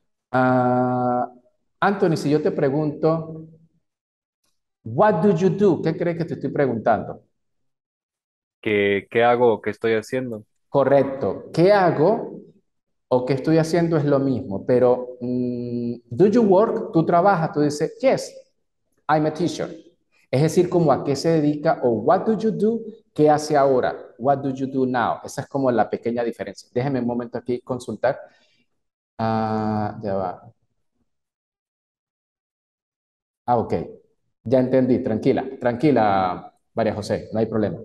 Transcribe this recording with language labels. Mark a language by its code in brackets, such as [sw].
[es] Anthony, si yo te pregunto, [en] what do you do? [es] ¿Qué crees que te estoy preguntando? ¿Qué hago? ¿Qué estoy haciendo? Correcto. ¿Qué hago o qué estoy haciendo es lo mismo? Pero, [en] do you work? [es] ¿Tú trabajas? Tú dices, [en] yes, I'm a teacher. [es] Es decir, como a qué se dedica o [en] what do you do, [es] qué hace ahora, [en] what do you do now. [es] Esa es como la pequeña diferencia. Déjeme un momento aquí consultar. Ya va. Ah, ok. Ya entendí. Tranquila, tranquila, María José. No hay problema.